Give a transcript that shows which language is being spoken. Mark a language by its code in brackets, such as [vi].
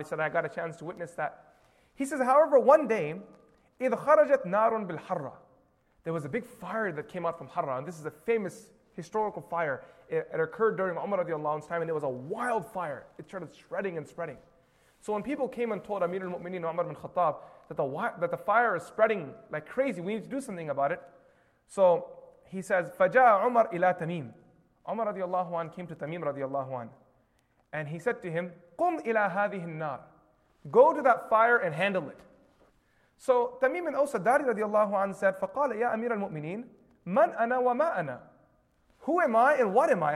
[en] He said, I got a chance to witness that. He says, however, one day, [ar] إِذْ خَرَجَتْ نَارٌ بِالْحَرَّةِ, [en] there was a big fire that came out from Harra, and this is a famous historical fire. It occurred during Umar radiallahu anh's time, and it was a wild fire. It started shredding and spreading. So when people came and told Amir al-Mu'mineen Umar bin Khattab that the fire is spreading like crazy, we need to do something about it. So he says, [ar] فَجَاءَ عُمَرْ إِلَىٰ تَمِيمٍ. [en] Umar radiallahu anh came to Tamim radiallahu anh, and he said to him, [ar] قُمْ إِلَىٰ هَذِهِ النَّارِ, [en] go to that fire and handle it. So Tamim bin Awsaddari radiallahu anh said, [ar] فَقَالَ يَا أَمِيرَ الْمُؤْمِنِينَ مَنْ أَنَا وَمَا أَنَا, [en] who am I and what am I?